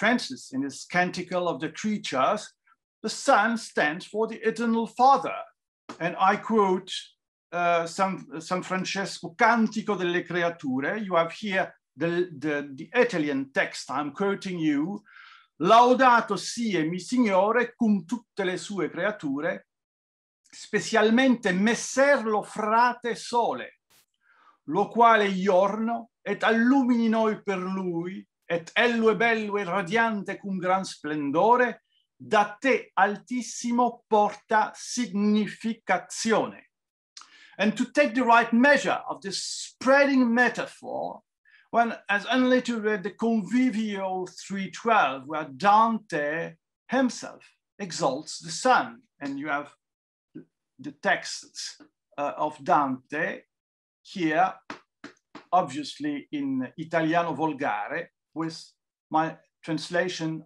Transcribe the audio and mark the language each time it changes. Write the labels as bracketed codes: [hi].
[en] Francis, in his Canticle of the Creatures, the Son stands for the Eternal Father. And I quote San Francesco, Cantico delle Creature. You have here the Italian text I'm quoting you. [it] Laudato sia mi Signore cum tutte le sue creature, specialmente Messer lo Frate Sole, lo quale iorno et allumini noi per lui, et ello è bello e radiante cum gran splendore, da te altissimo porta significazione. [en] And to take the right measure of this spreading metaphor, one has only to read the convivial 312, where Dante himself exalts the sun, and you have the texts of Dante here, obviously in Italiano Volgare, with my translation.